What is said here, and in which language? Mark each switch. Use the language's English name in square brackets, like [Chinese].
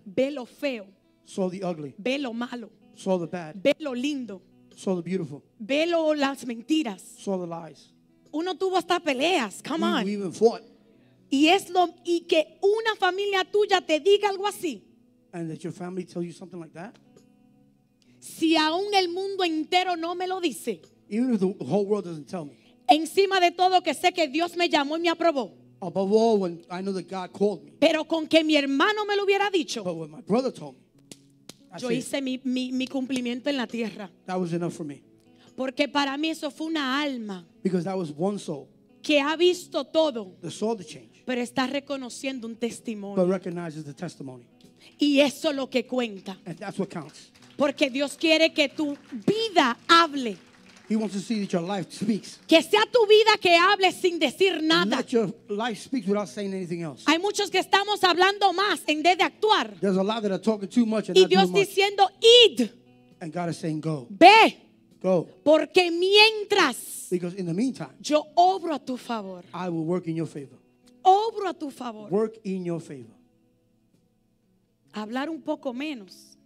[Spanish] Ve lo feo. [English] Saw the ugly. [Spanish] Ve lo malo. [English] Saw the bad. [Spanish] Ve lo lindo. [English] Saw the beautiful. [Spanish] Ve lo las mentiras. [English] Saw the lies. [Spanish] Uno tuvo hasta peleas. [English] Come on. We even fought. [Spanish] Y es lo y que una familia tuya te diga algo así. [English] And that your family tell you something like that. [Spanish] Si aún el mundo entero no me lo dice. [English] Even if the whole world doesn't tell me. [Spanish] Encima de todo que sé que Dios me llamó y me aprobó. [English] Above all, when I know that God called me. [Spanish] Pero con que mi hermano me lo hubiera dicho. [English] But when my brother told me. [Spanish] Yo hice mi cumplimiento en la tierra. [English] That was enough for me. [Spanish] Porque para mí eso fue una alma. [English] Because that was one soul. [Spanish] Que ha visto todo. [English] That saw the change. [Spanish] Pero está reconociendo un testimonio. [English] But recognizes the testimony. [Spanish] Y eso es lo que cuenta. [English] And that's what counts. [Spanish] Porque Dios quiere que tu vida hable. [English] He wants to see that your life speaks. [Spanish] Que sea tu vida que hable sin decir nada. [English] Let your life speak without saying anything else. [Spanish] Hay muchos que estamos hablando más en vez de actuar. [English] There's a lot that are talking too much and [Spanish] y [English] not [Spanish] Dios [English] doing much. [Spanish] Diciendo, id. [English] And God is saying, go. [Spanish] Ve. [English] Go. [Spanish] Porque mientras. [English] Because in the meantime. [Spanish] Yo obro a tu favor. [English] I will work in your favor. [Spanish] Obro a tu favor. [English] Work in your favor. [Spanish] Hablar un poco menos.